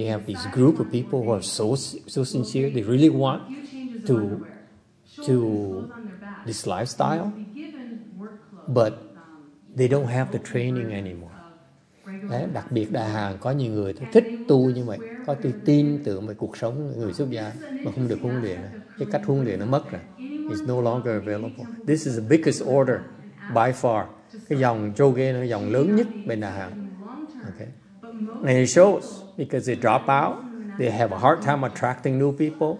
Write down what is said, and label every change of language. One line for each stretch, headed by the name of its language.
English: You have this group of people who are so sincere. They really want to this lifestyle, but they don't have the training anymore.
Vietnamese: Đấy, đặc biệt đại hàng có nhiều người thích tu như vậy, có tự tin tưởng về cuộc sống người xuất gia mà không được huấn luyện. Cái cách huấn luyện nó mất rồi.
English: It's no longer available. This is the biggest order. By far,
Vietnamese: cái dòng Dzogchen là dòng lớn nhất bên Đà Hàng.
English: Okay. And it shows because they drop out, they have a hard time attracting new people.